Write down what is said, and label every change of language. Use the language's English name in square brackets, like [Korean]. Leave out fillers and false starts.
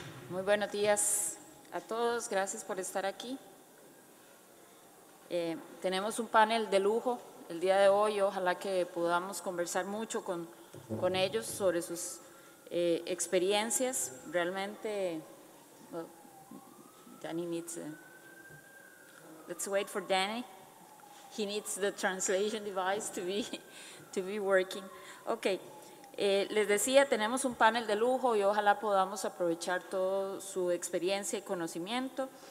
[Spanish] Muy buenos días a todos. Gracias por estar aquí. Tenemos un panel de lujo el día de hoy. Ojalá que podamos conversar mucho con ellos sobre sus experiencias. [English] Realmente, Danny needs let's wait for Danny. He needs the translation device to be working. Okay. [Spanish] Les decía, tenemos un panel de lujo y ojalá podamos aprovechar toda su experiencia y conocimiento.